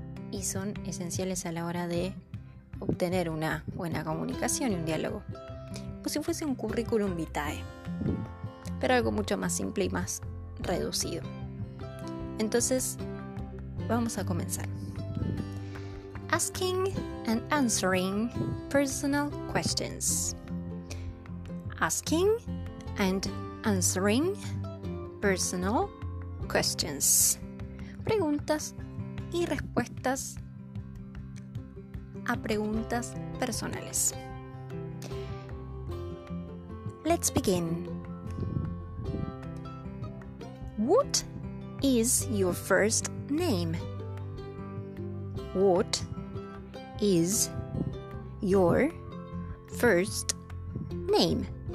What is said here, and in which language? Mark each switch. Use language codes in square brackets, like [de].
[es] Y son esenciales a la hora de obtener una buena comunicación y un diálogo. Como si fuese un currículum vitae, pero algo mucho más simple y más reducido. Entonces, vamos a comenzar. [en] Asking and answering personal questions. Asking and answering personal questions. [es] Preguntas y respuestas a preguntas personales. [en] Let's begin. What is your first name? What is your first name?